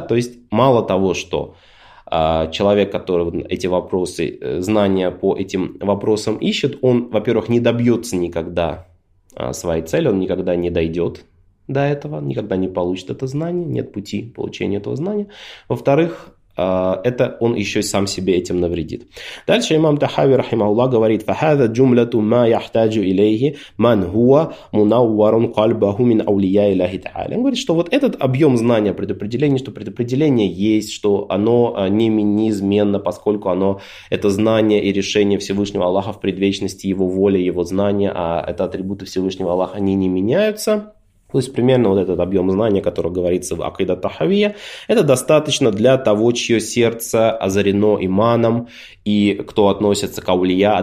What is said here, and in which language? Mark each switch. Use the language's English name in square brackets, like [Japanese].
[Russian] То есть мало того, что человек, который эти вопросы, знания по этим вопросам ищет, он, во-первых, не добьется никогда своей цели, он никогда не дойдет до этого, никогда не получит это знание, нет пути получения этого знания. Во-вторых, это он еще сам себе этим навредит. Дальше имам Тахави рахимаху говорит: [Arabic] فَهَذَا جُمْلَةُ مَا يَحْتَاجُ إِلَيْهِ مَنْ هُوَ مُنَوَّرٌ قَلْبَهُ مِنْ أَوْلِيَاءِ اللَّهِ تَعَالَى. [Russian] Он говорит, что вот этот объем знания предопределения, что предопределение есть, что оно неизменно, поскольку оно это знание и решение Всевышнего Аллаха в предвечности, его воля, его знания, а это атрибуты Всевышнего Аллаха, они не меняются. То есть примерно вот этот объем знания, который говорится в Акида Тахавия, это достаточно для того, чье сердце озарено иманом, и кто относится к аулия.